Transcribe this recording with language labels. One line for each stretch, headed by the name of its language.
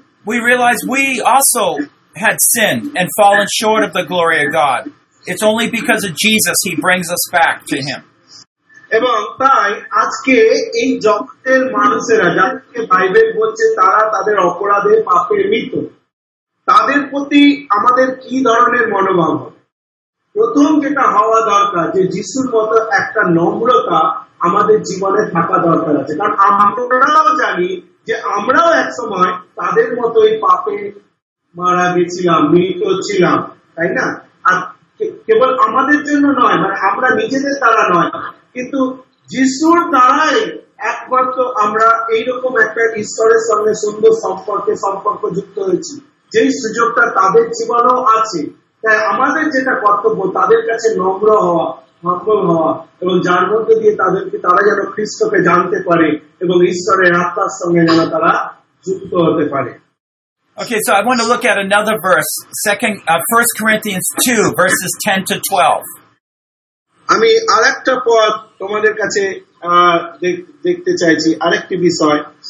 English: We realize we also had sinned and fallen short of the glory of God. It's only because of Jesus He brings us back to Him.
Bangla: এবং তাই আজকে এই জগতের মানুষেরা যাদেরকে Bible বলছে তারা তাদের অপরাধে পাপে মৃত, তাদের প্রতি আমাদের কি ধরনের মনোভাব? প্রথম যেটা হওয়া দরকার যে যিশুর মতো একটা নম্রতা আমাদের জীবনে থাকা দরকার আছে, কারণ আমরাও জানি যে আমরাও এক সময় তাদের মতো এই পাপে মারা গেছিলাম, মৃত ছিলাম, তাই না? আর কেবল আমাদের জন্য নয়, মানে আমরা নিজেদের দ্বারা নয়, কিন্তু যিশুর দ্বারাই একবার কেবলমাত্র আমরা এইরকম একটা ঈশ্বরের সঙ্গে সুন্দর সম্পর্কে সম্পর্ক যুক্ত হয়েছি, যেই সুযোগটা তাদের জীবনেও আছে। তাই আমাদের যেটা কর্তব্য তাদের কাছে নম্র হওয়া, সফল হওয়া, এবং যার মধ্যে দিয়ে তাদেরকে তারা যেন খ্রিস্টকে জানতে পারে এবং ঈশ্বরের আত্মার সঙ্গে যেন তারা যুক্ত হতে পারে।
English: Okay, so I want to look at another verse, 1 Corinthians 2, verses 10 to 12.
Bangla: আমি আরেকটা পদ তোমাদের কাছে দেখতে চাইছি, আরেকটি বিষয়।